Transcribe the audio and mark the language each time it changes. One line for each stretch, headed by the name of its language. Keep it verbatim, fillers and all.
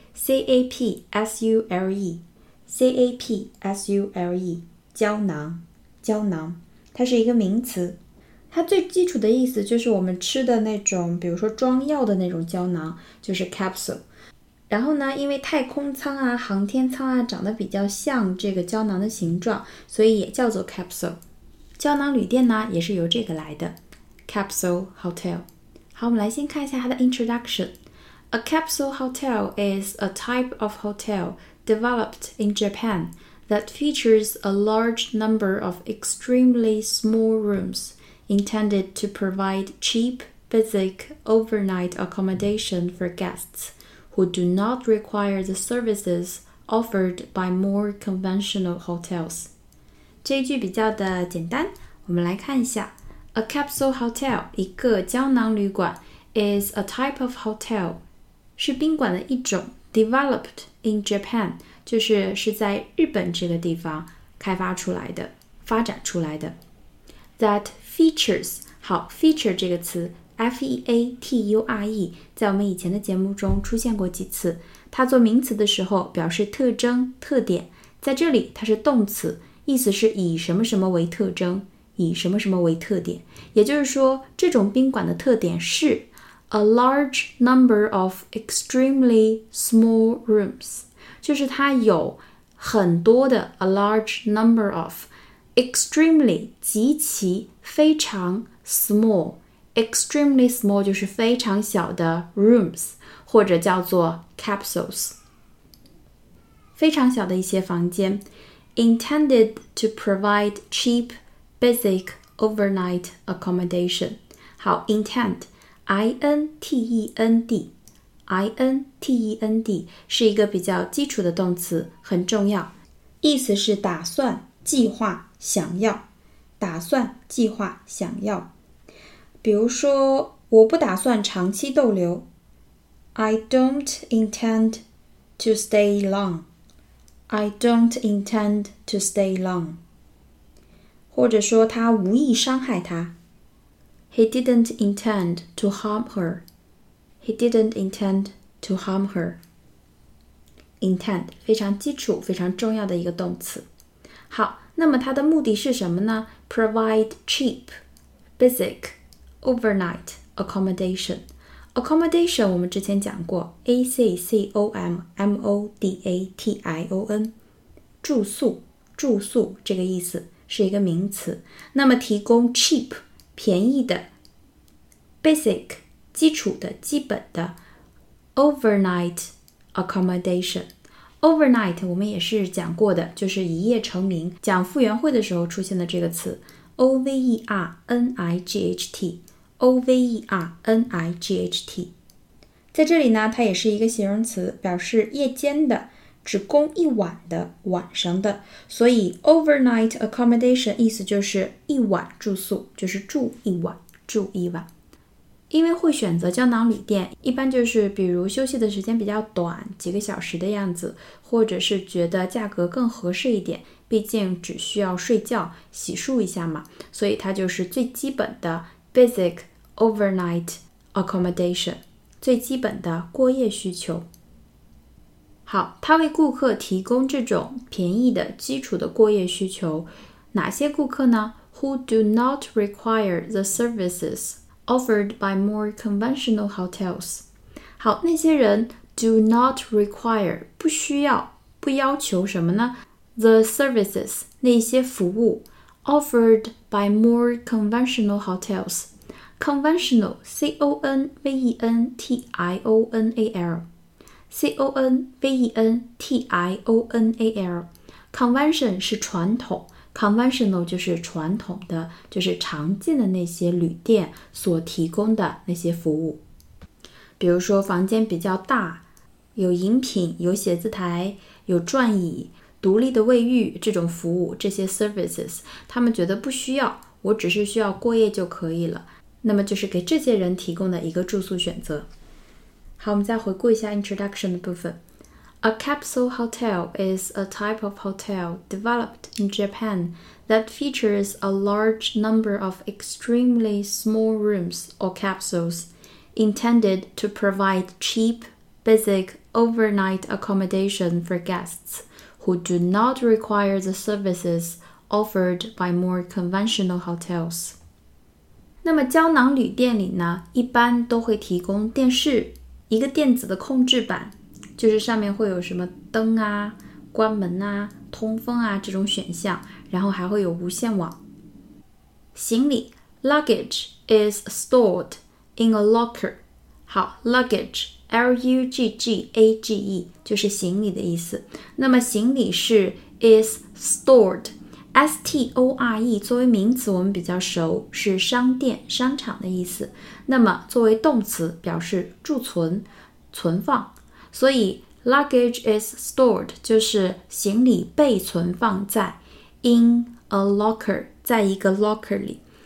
Chinese: C A P S U L E C A P S U L E 胶囊，胶囊它是一个名词，它最基础的意思就是我们吃的那种，比如说装药的那种胶囊，就是 Capsule。然后呢，因为太空舱啊、航天舱啊长得比较像这个胶囊的形状，所以也叫做 capsule。胶囊旅店呢也是由这个来的 capsule hotel。好，我们来先看一下它的 introduction。
English: A capsule hotel is a type of hotel developed in Japan that features a large number of extremely small rooms intended to provide cheap, basic overnight accommodation for guests who do not require the services offered by more conventional hotels。
Chinese: 这一句比较的简单，我们来看一下。
English: A capsule hotel，
Chinese: 一个胶囊旅馆，
English: is a type of hotel，
Chinese: 是宾馆的一种，
English: developed in Japan，
Chinese: 就是是在日本这个地方开发出来的，发展出来的。
English: That features，
Chinese: 好， feature 这个词F E A T U R E 在我们以前的节目中出现过几次，它做名词的时候表示特征、特点，在这里它是动词，意思是以什么什么为特征，以什么什么为特点。也就是说，这种宾馆的特点是
English: a large number of extremely small rooms，
Chinese: 就是它有很多的
English: a large number of extremely
Chinese: 极其非常
English: small extremely small
Chinese: 就是非常小的
English: rooms，
Chinese: 或者叫做
English: capsules，
Chinese: 非常小的一些房间，
English: intended to provide cheap, basic, overnight accommodation。
Chinese: 好， intent I N T E N D I N T E N D 是一个比较基础的动词，很重要，意思是打算、计划、想要，打算、计划、想要。比如说，我不打算长期逗留。
English: I don't intend to stay long. I don't intend to stay long.
Chinese: 或者说他无意伤害她。
English: He didn't intend to harm her. He didn't intend to harm her.
Chinese: Intend 非常基础、非常重要的一个动词。好，那么它的目的是什么呢？
English: Provide cheap, basic,Overnight accommodation，
Chinese: accommodation 我们之前讲过 A C C O M M O D A T I O N， 住宿，住宿这个意思是一个名词。那么提供 cheap 便宜的， basic 基础的基本的
English: overnight accommodation。
Chinese: overnight 我们也是讲过的，就是一夜成名，讲傅园慧的时候出现的这个词 overnight overnight。在这里呢，它也是一个形容词，表示夜间的，只供一晚的，晚上的。所以 overnight accommodation 意思就是一晚住宿，就是住一晚，住一晚。因为会选择胶囊旅店，一般就是比如休息的时间比较短，几个小时的样子，或者是觉得价格更合适一点，毕竟只需要睡觉洗漱一下嘛，所以它就是最基本的
English: basic overnight accommodation，
Chinese: 最基本的过夜需求。好，它为顾客提供这种便宜的基础的过夜需求。哪些顾客呢？
English: Who do not require the services offered by more conventional hotels。
Chinese: 好，那些人
English: do not require
Chinese: 不需要，不要求什么呢？
English: The services
Chinese: 那些服务
English: offered by more conventional hotels。 Conventional C O N V E N T I O N A L C O N V E N T I O N A L。
Chinese: Convention 是传统， Conventional 就是传统的，就是常见的那些旅店所提供的那些服务。比如说房间比较大，有饮品，有写字台，有转椅，独立的卫浴，这种服务，这些 services 他们觉得不需要，我只是需要过夜就可以了，那么就是给这些人提供的一个住宿选择。好，我们再回顾一下 introduction 的部分。
English: A capsule hotel is a type of hotel developed in Japan that features a large number of extremely small rooms or capsules intended to provide cheap, basic, overnight accommodation for guests who do not require the services offered by more conventional hotels。
Chinese: 那么胶囊旅店里呢，一般都会提供电视，一个电子的控制板，就是上面会有什么灯啊，关门啊，通风啊这种选项，然后还会有无线网。行李
English: luggage is stored in a locker。
Chinese: 好， luggage L U G G A G E 就是行李的意思。那么行李是 is stored S T O R E 作为名词我们比较熟，是商店商场的意思，那么作为动词表示贮存存放，所以
English: luggage is stored
Chinese: 就是行李被存放在
English: in a locker
Chinese: 在一个 locker 里。